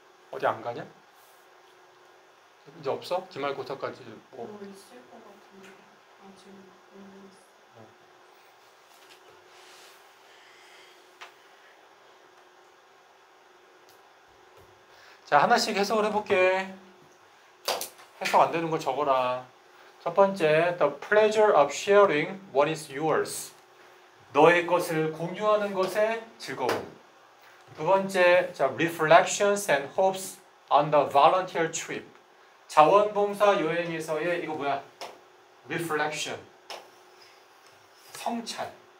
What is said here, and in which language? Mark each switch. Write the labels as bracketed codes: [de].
[ko] 어디 안 가냐? 이제 없어? 기말고사까지 뭐 있을 것 같은데 아직 모르겠어. 자, 하나씩 해석을 해볼게. 해석 안 되는 거 적어라. 첫 번째, [en] The pleasure of sharing what is yours. [ko] 너의 것을 공유하는 것에 즐거움. [en] 두 번째, 자, reflections and hopes on the volunteer trip. [ko] 자원봉사 여행에서의, 이거 뭐야? reflection. 성찰.